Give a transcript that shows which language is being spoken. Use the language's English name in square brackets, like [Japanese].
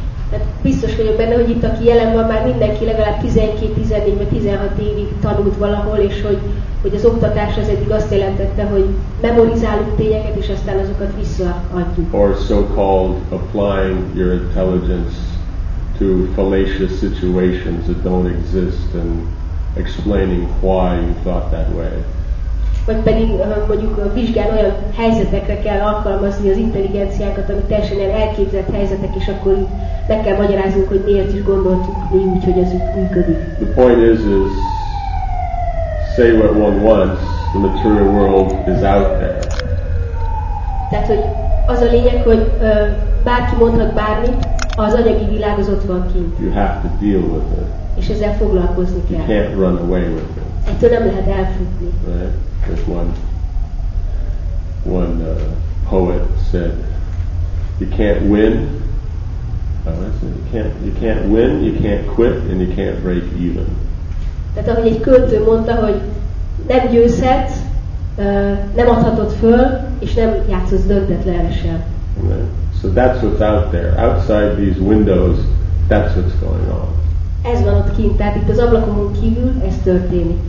[Hungarian] Tehát biztos vagyok benne, hogy itt, aki jelen van, már mindenki legalább 12, 14 vagy 16 évig tanult valahol, és hogy az oktatás az eddig azt jelentette, hogy memorizálunk tényeket, és aztán azokat visszaadjuk. [English] Or so-called applying your intelligence to fallacious situations that don't exist and explaining why you thought that way. [Hungarian] Vagy pedig mondjuk vizsgálni olyan helyzetekre kell alkalmazni az intelligenciákat, ami teljesen ilyen elképzett helyzetek, és akkor meg kell magyaráznunk, hogy miért is gondoltuk mi úgy, hogy ez működik. [English] The point is say what one wants, the material world is out there. [Hungarian] Tehát, hogy az a lényeg, hogy bárki mondhat bármit, az anyagi világ az ott van kint. [English] You have to deal with it. [Hungarian] És ezzel foglalkozni kell. [English] You can't run away with it. [Hungarian] Ettől nem lehet elfutni. [English] Right? As one poet said, you can't win. You can't win. You can't quit, and you can't break even. [Hungarian] Tehát ahogy egy költő mondta, hogy nem győzhetsz, nem adhatod föl, és nem játszhatsz döntetlenül sem. [English] Right. So that's what's out there, outside these windows. That's what's going on. [Hungarian] Ez van ott kint, tehát itt az ablakomon kívül ez történik.